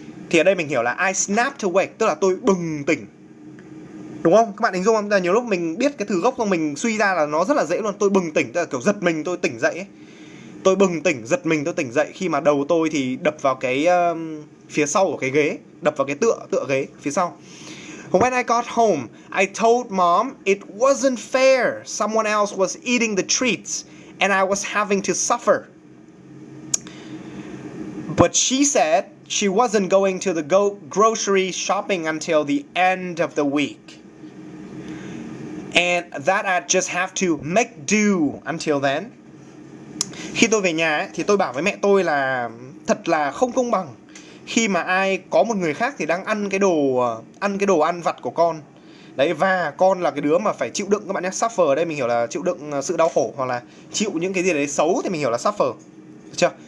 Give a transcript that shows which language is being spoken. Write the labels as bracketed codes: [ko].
[vi] Thì ở đây mình hiểu là [en] I snapped awake, [vi] tức là tôi bừng tỉnh. Đúng không? Các bạn hình dung không? Là nhiều lúc mình biết cái từ gốc của mình suy ra là nó rất là dễ luôn. Tôi bừng tỉnh, tức là kiểu giật mình tôi tỉnh dậy ấy. Tôi bừng tỉnh, giật mình tôi tỉnh dậy khi mà đầu tôi thì đập vào cái phía sau của cái ghế, đập vào cái tựa tựa ghế phía sau. [en] When I got home, I told mom it wasn't fair. Someone else was eating the treats and I was having to suffer. But she said she wasn't going to the grocery shopping until the end of the week. And that I'd just have to make do until then. [vi] Khi tôi về nhà ấy, thì tôi bảo với mẹ tôi là thật là không công bằng khi mà ai có một người khác thì đang ăn cái đồ ăn vặt của con đấy, và con là cái đứa mà phải chịu đựng. Các bạn nhé, suffer ở đây mình hiểu là chịu đựng sự đau khổ hoặc là chịu những cái gì đấy xấu thì mình hiểu là suffer. Được chưa?